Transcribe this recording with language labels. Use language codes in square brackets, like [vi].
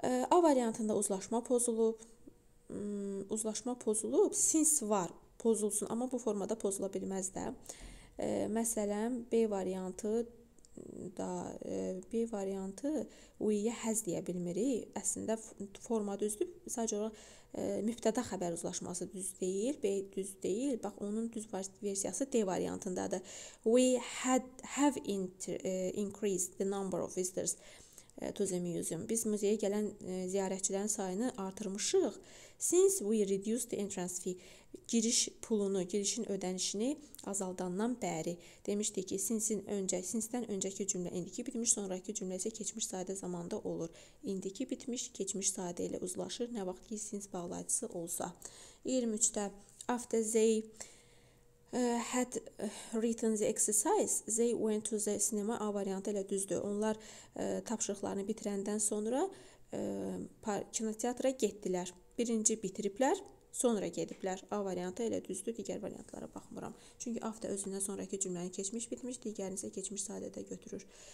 [az] A variantında uzlaşma pozulub, sins var, pozulsun, amma bu formada pozulabilməz də. Məsələn, B variantı da, B variantı we-yə has deyə bilmirik. Əslində forma düzdür, sadəcə olaraq mübtədə xəbər uzlaşması düz deyil, B düz deyil. Bax, onun düz versiyası D variantındadır. [en] We had have increased the number of visitors to the museum. [az] Biz müzeyə gələn ziyarətçilərin sayını artırmışıq. [en] Since we reduced the entrance fee, [az] giriş pulunu, girişin ödənişini azaldandan bəri. Demişdik ki, since-dən öncəki cümlə indiki bitmiş, sonrakı cümlə isə keçmiş sadə zamanda olur. İndiki bitmiş, keçmiş sadə ilə uzlaşır, nə vaxt ki, since bağlayıcısı olsa. [en] 23-də, after they had written the exercise, they went to the cinema. [az] A variantı ilə düzdür. Onlar tapşırıqlarını bitirəndən sonra kinoteatra getdilər. Birinci bitiriblər, sonra gediblər. A variantı ilə düzdür. Digər variantlara baxmıram. Çünki after özündən sonraki cümləni keçmiş bitmiş, digərini isə keçmiş sadədə götürür.